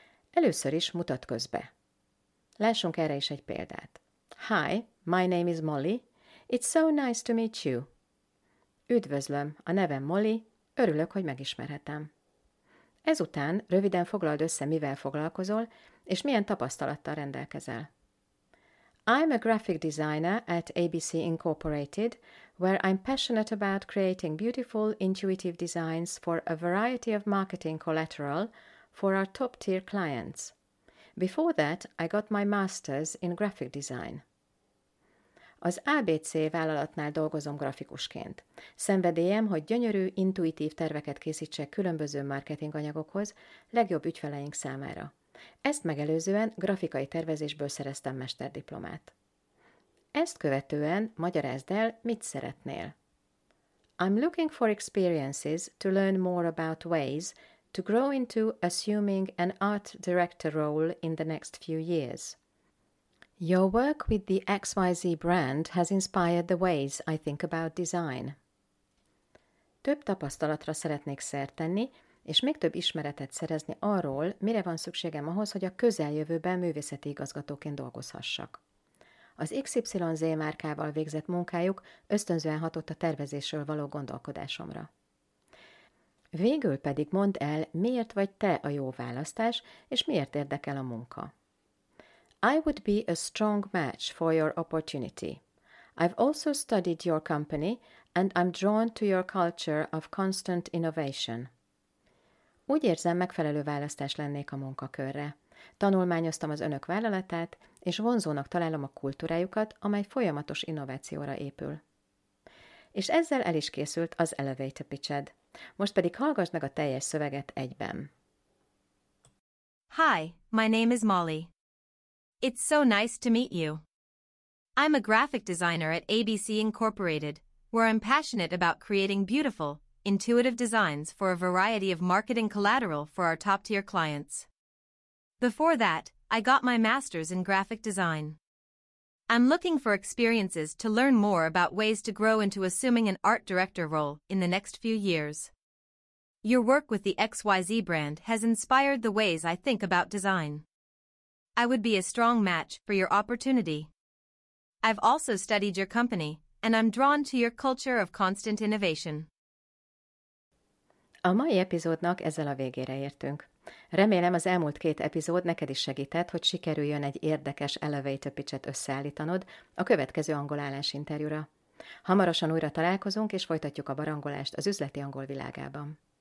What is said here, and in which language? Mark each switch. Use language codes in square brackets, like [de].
[hu] Először is mutatkozz be. Lássunk erre is egy példát. [en] Hi, my name is Molly. It's so nice to meet you. [hu] Üdvözlöm, a nevem Molly, örülök, hogy megismerhetem. Ezután röviden foglald össze, mivel foglalkozol, és milyen tapasztalattal rendelkezel. [en] I'm a graphic designer at ABC Incorporated, where I'm passionate about creating beautiful, intuitive designs for a variety of marketing collateral for our top-tier clients. Before that, I got my master's in graphic design. [hu] Az ABC vállalatnál dolgozom grafikusként. Szenvedélyem, hogy gyönyörű, intuitív terveket készítsek különböző marketinganyagokhoz, legjobb ügyfeleink számára. Ezt megelőzően grafikai tervezésből szereztem mesterdiplomát. Ezt követően magyarázd el, mit szeretnél. [en] I'm looking for experiences to learn more about ways to grow into assuming an art director role in the next few years. Your work with the XYZ brand has inspired the ways I think about design. [hu] Több tapasztalatra szeretnék szert tenni, és még több ismeretet szerezni arról, mire van szükségem ahhoz, hogy a közeljövőben művészeti igazgatóként dolgozhassak. Az XYZ márkával végzett munkájuk ösztönzően hatott a tervezésről való gondolkodásomra. Végül pedig mondd el, miért vagy te a jó választás, és miért érdekel a munka. [en] I would be a strong match for your opportunity. I've also studied your company, and I'm drawn to your culture of constant innovation. [hu] Úgy érzem, megfelelő választás lennék a munkakörre. Tanulmányoztam az önök vállalatát, és vonzónak találom a kultúrájukat, amely folyamatos innovációra épül. És ezzel el is készült az Elevator Pitched. Most pedig hallgass meg a teljes szöveget egyben. [en] Hi, my name is Molly. It's so nice to meet you. I'm a graphic designer at ABC Incorporated, where I'm passionate about creating beautiful, intuitive designs for a variety of marketing collateral for our top-tier clients. Before that, I got my master's in graphic design. I'm looking for experiences to learn more about ways to grow into assuming an art director role in the next few years. Your work with the XYZ brand has inspired the ways I think about design. I would be a strong match for your opportunity. I've also studied your company, and I'm drawn to your culture of constant innovation. [hu] A mai epizódnak ezzel a végére értünk. Remélem, az elmúlt két epizód neked is segített, hogy sikerüljön egy érdekes elevator pitch-et összeállítanod a következő angolállás interjúra. Hamarosan újra találkozunk, és folytatjuk a barangolást az üzleti angol világában.